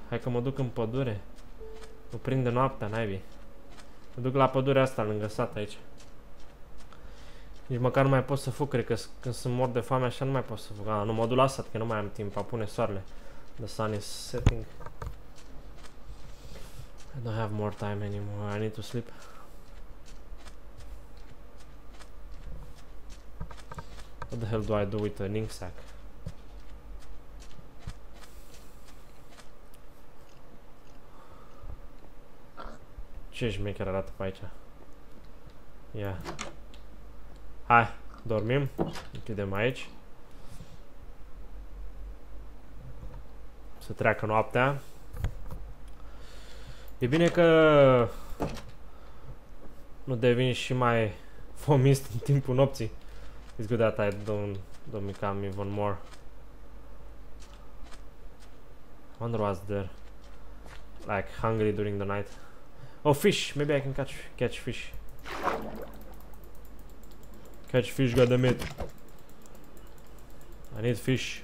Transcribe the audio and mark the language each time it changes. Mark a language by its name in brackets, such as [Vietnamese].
[Romanian] Hai că mă duc în pădure. Mă prinde noaptea, naibii. Mă duc la pădurea asta, lângă sat aici. Nici măcar nu mai pot să fug, cred că când sunt mort de foame așa nu mai pot să fug. Nu mă duc la sat, că nu mai am timp, apune soarele. [English] The sun is setting. I don't have more time anymore, I need to sleep. What the hell do I do with a ink sack? [Romanian] Ce șmecher arată pe aici? Ia. Hai, dormim. Închidem aici. Să treacă noaptea. E bine că... nu devin și mai fomist în timpul nopții. [English] It's good that I don't become even more. I wonder what's there. Like, hungry during the night. Oh, fish! Maybe I can catch fish. Catch fish, got the meat. I need fish.